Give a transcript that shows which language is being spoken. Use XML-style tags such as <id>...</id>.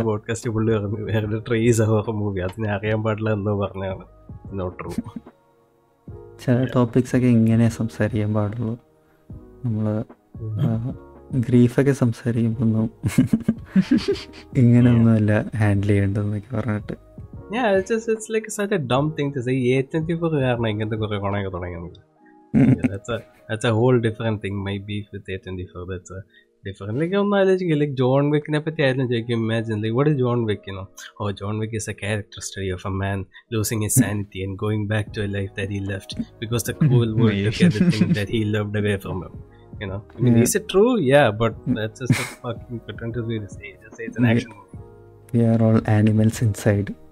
<ml>Podcast പുള്ളി പറഞ്ഞു വേറെ ട്രീസ് ഹൊറർ മൂവി, അത് ഞാൻ അറിയാൻ പാടില്ല എന്നോ പറഞ്ഞാണ്.</ml> <en>not true,</en> <ml>ചില ടോപ്പിക്സ് ഒക്കെ ഇങ്ങനെ സംസാരിക്കാൻ പാടുള്ളൂ. നമ്മള് ഗ്രീഫ് ഒക്കെ സംസാരിക്കുമ്പോ ഒന്നും ഇങ്ങനെയൊന്നുമല്ല ഹാൻഡിൽ ചെയ്യേണ്ടതെന്നൊക്കെ പറഞ്ഞിട്ട്.</ml> <en>Yeah, it's like such a dumb thing to say.</en> <ml>A24 കാരണം ഇങ്ങനത്തെ കുറെ കൊണയൊക്കെ തുടങ്ങുന്നത്.</ml> <en>That's a whole different thing. My beef with A24, that's a different thing.</en> <ml>ഒന്ന് ആലോചിക്കുക, ലൈക്ക് ജോൺ വിക്കിനെ പറ്റി ആയിരുന്നു ചോദിക്കും.</ml> <en>Imagine like what John Wick, oh John Wick is a character study of a man losing his sanity and going back to a life that he left because the cool world took everything that he loved away from him. You know, I mean, is it true? Yeah, but that's just a fucking pretend to say. Just say it's an action movie. We are all animals inside.</en>